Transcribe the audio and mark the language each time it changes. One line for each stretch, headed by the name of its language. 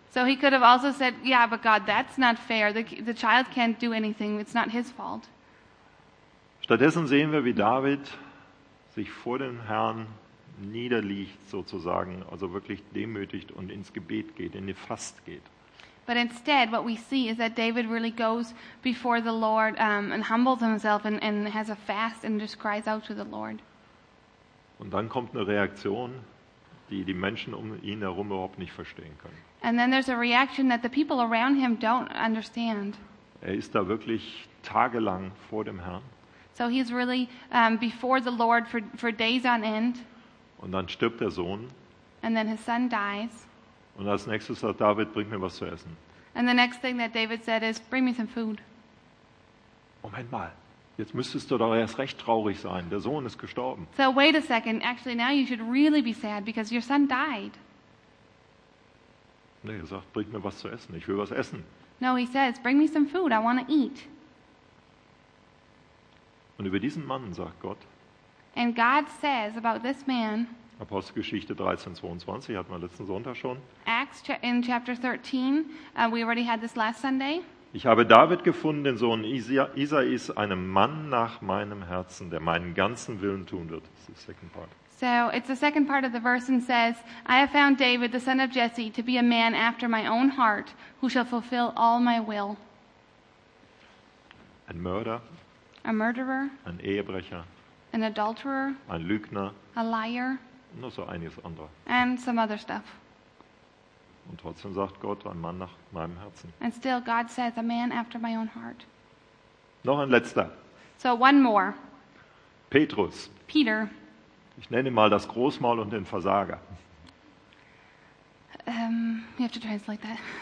English: So he could have also said, yeah, but God, that's not fair. The child can't do anything. It's not his fault.
German: Stattdessen sehen wir, wie David sich vor dem Herrn niederliegt sozusagen, also wirklich demütigt und ins Gebet geht, in den Fast geht.
English: But instead, what we see is that David really goes before the Lord and humbles himself and has a fast and just cries out to the Lord.
German: Und dann kommt eine Reaktion, die Menschen um ihn herum überhaupt nicht verstehen können.
English: And then there's a reaction that the people around him don't understand.
German: Er ist da wirklich tagelang vor dem Herrn.
English: So he's really before the Lord for days on end.
German: Und dann stirbt der Sohn.
English: And then his son dies.
German: Und als nächstes sagt David, bring mir was zu essen.
English: And the next thing that David said is, bring me some food.
German: Moment mal, jetzt müsstest du doch erst recht traurig sein. Der Sohn ist gestorben.
English: So wait a second, actually now you should really be sad because your son died.
German: Nee, er sagt, bring mir was zu essen. Ich will was essen.
English: No, he says, bring me some food. I want to eat.
German: Und über diesen Mann sagt Gott.
English: And God says about this man,
German: Apostelgeschichte 13, 22, hatten wir letzten Sonntag schon.
English: Acts in chapter 13, we already had this last Sunday.
German: Ich habe David gefunden, den Sohn Isais, einem Mann nach meinem Herzen, der meinen ganzen Willen tun wird. Das ist der
English: second part. So it's the second part of the verse and says, I have found David, the son of Jesse, to be a man after my own heart, who shall fulfill all my will.
German: Ein Mörder.
English: A murderer.
German: Ein Ehebrecher.
English: An adulterer.
German: Ein Lügner.
English: A liar.
German: Noch so einiges andere.
English: And some other stuff.
German: Und trotzdem sagt Gott, ein Mann nach meinem Herzen.
English: And still God says, a man after my own heart.
German: Noch ein letzter.
English: So one more.
German: Petrus.
English: Peter.
German: Ich nenne mal das Großmaul und den Versager.
English: You have to translate that.